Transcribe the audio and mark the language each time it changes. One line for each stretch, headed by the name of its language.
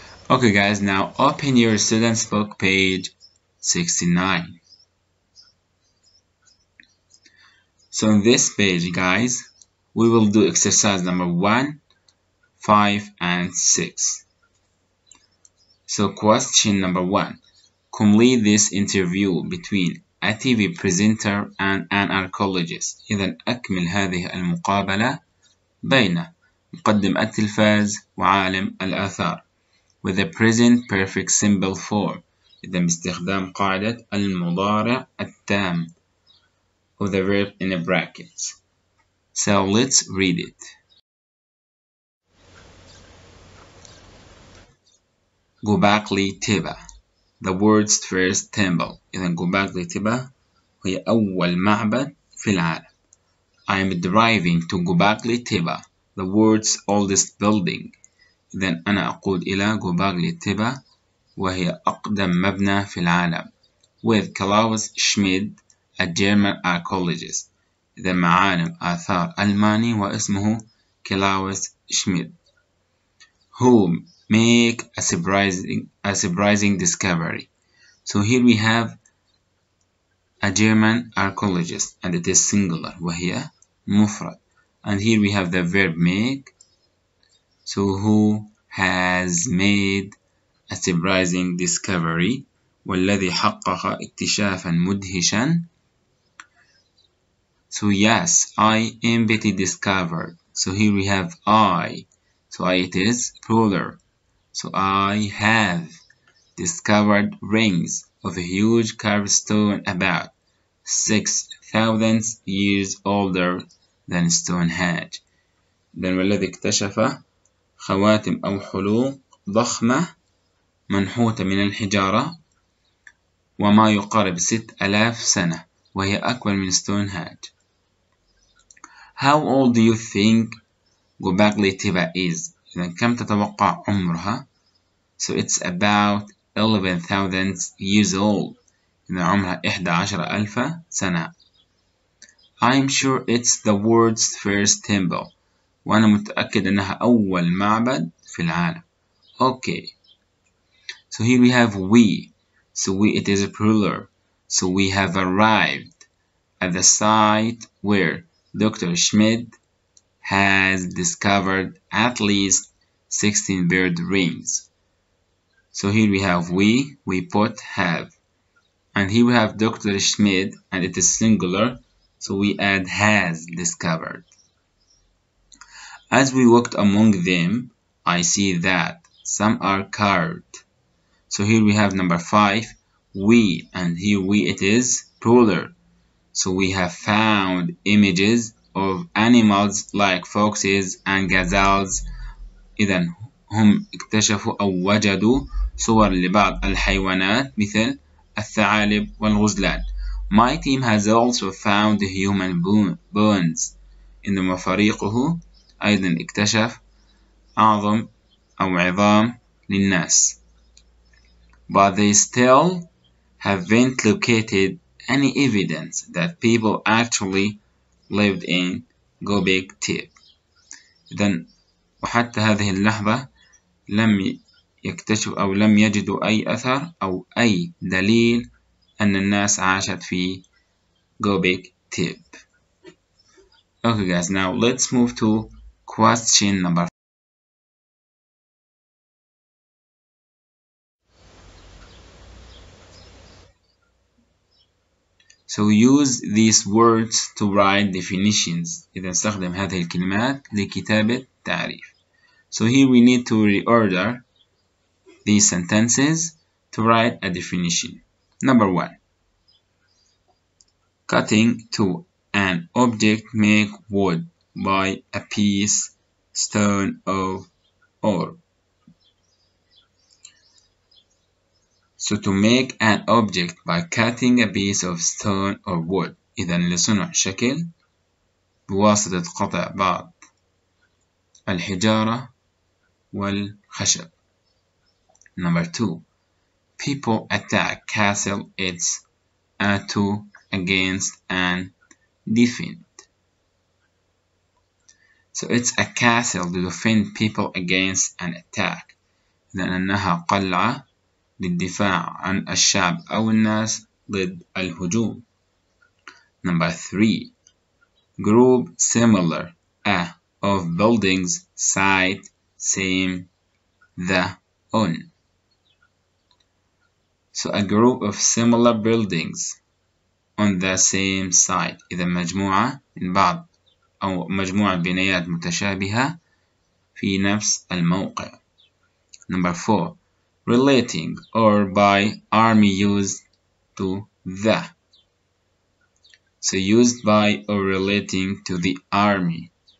English: Okay guys, now open your student's book page 69. So on this page guys, we will do exercise number 1, 5, and 6. So question number 1. Complete this interview between a TV presenter and an archaeologist.
Arabic: إذن أكمل هذه المقابلة بين مقدم التلفاز وعالم الآثار.
English: With the present perfect simple form.
Arabic: إذن باستخدام قاعدة المضارع التام.
English: Of the verb in the brackets. So let's read it. Gubak li tiba. The world's first temple.
Arabic: إذن Gubak li tiba هي أول معبد في العالم.
English: I am driving to Gubak li tiba, the world's oldest building.
Arabic: إذن أنا أقود إلى Gubak li tiba وهي أقدم مبنى في العالم.
English: With Klaus Schmid, a German archaeologist.
Arabic: إذا معالم آثار ألماني واسمه كلاوس شميد.
English: Who make a surprising discovery. So here we have a German archaeologist and it is singular
Arabic: وهي مفرد.
English: And here we have the verb make. So who has made a surprising discovery.
Arabic: والذي حقق اكتشافا مدهشا.
English: So yes, I am being discovered. So here we have I. So I it is plural. So I have discovered rings of a huge carved stone about 6,000 years older than Stonehenge.
Arabic: Then والذي اكتشف خواتم أو حلوق ضخمة منحوتة من الحجارة وما يقارب 6,000 سنة وهي أكبر من Stonehenge.
English: How old do you think Gubak li tiba is?
Arabic: إذن كم تتوقع عمرها?
English: So it's about 11,000 years old.
Arabic: إذن عمرها 11,000 سنة.
English: I'm sure it's the world's first temple.
Arabic: وأنا متأكد أنها أول معبد في العالم.
English: Okay. So here we have we. So we it is a plural. So we have arrived at the site where Dr. Schmidt has discovered at least 16 bird rings. So here we have we put have. And here we have Dr. Schmidt and it is singular. So we add has discovered. As we walked among them, I see that some are carved. So here we have number 5, we. And here we it is plural. So we have found images of animals like foxes and gazelles.
Arabic: إذن هم اكتشفوا أو وجدوا صور لبعض الحيوانات مثل الثعالب والغزلان.
English: My team has also found human bones.
Arabic: إنما فريقه أيضا اكتشف عظم أو عظام للناس.
English: But they still haven't located any evidence that people actually lived in Gobek Tip.
Arabic: إذن وحتى هذه اللحظة لم يكتشف أو لم يجدوا أي أثر أو أي دليل أن الناس عاشت في Gobek Tip.
English: Okay guys, now let's move to question number 4. So use these words to write definitions.
Arabic: إذا استخدم هذه الكلمات لكتابة تعريف.
English: So here we need to reorder these sentences to write a definition. Number 1. Cutting to an object make wood by a piece stone of ore. So to make an object by cutting a piece of stone or wood.
Arabic: إذن لصنع شكل بواسطة قطع بعض الحجارة والخشب.
English: Number two, people attack castle it's to against and defend. So it's a castle to defend people against an attack.
Arabic: لأنها قلعة للدفاع عن الشعب أو الناس ضد الهجوم.
English: Number three, group similar a of buildings site same the on. So a group of similar buildings on the same site.
Arabic: إذا مجموعة من بعض أو مجموعة بنايات متشابهة في نفس الموقع.
English: Number four, relating or by army used to the. So used by or relating to the army.